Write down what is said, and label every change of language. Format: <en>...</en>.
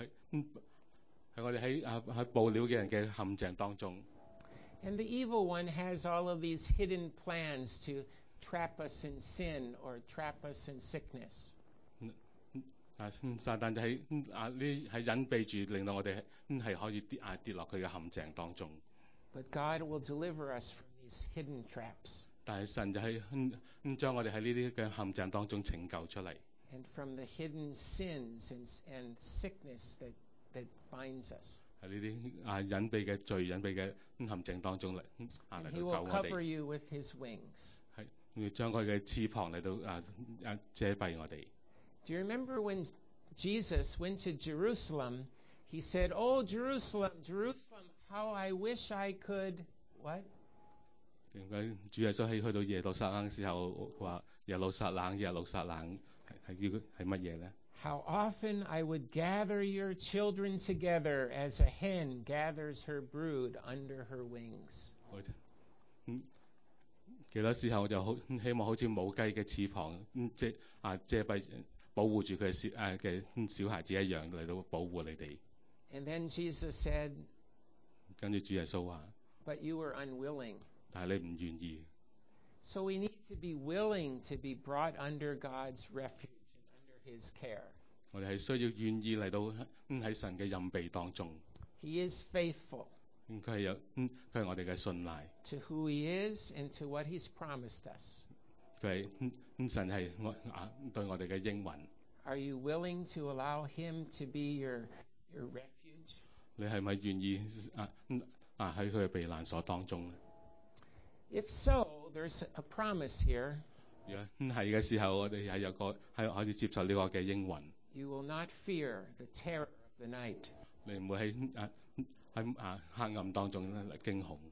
<en>And the evil one has all of these hidden plans to trap us in sin or trap us in sickness.</en> <zh>撒旦就是隱蔽著令到我們是可以跌落他的陷阱當中。</zh> <en>But God will deliver us from these hidden traps.</en> <zh>但神就是將我們在這些陷阱當中拯救出來。</zh> <en>And from the hidden sins and sickness that binds us.</en> <zh>在这些隐蔽的罪、隐蔽的陷阱当中来救我们。</zh> <en>He will cover you with his wings.</en> <zh>要将他的翅膀来到遮蔽我们。</zh> <en>Do you remember when Jesus went to Jerusalem? He said, Oh, Jerusalem, Jerusalem, how I wish I could. What?</en> <zh>原来主耶稣去到耶路撒冷的时候，说耶路撒冷、耶路撒冷是什么呢？</zh> <en>How often I would gather your children together as a hen gathers her brood under her wings.</en> <zh>多少時候我就希望好像母雞的翅膀遮蔽保護著她的小孩子一樣來保護你們。</zh> <en>And then Jesus said,</en> <zh>跟著主耶穌說,</zh> <en>But you were unwilling.</en> <zh>但你不願意。</zh> <en>So we need to be willing to be brought under God's refuge. His care.</en> <zh>我們是需要願意來到在神的蔭庇當中。</zh> <en>He is faithful.</en> <zh>他是我們的信賴。</zh> <en>To who he is and to what he's promised us.</en> <zh>神是對我們的應允。</zh> <en>Are you willing to allow him to be your refuge?</en> <zh>你是否願意在他的避難所當中?</zh> <en>If so, there's a promise here.</en> <zh>如果是的時候，我們是有個是可以接受這個應允。</zh> <en>You will not fear the terror of the night.</en> <zh>你不會在黑暗當中驚恐。</zh>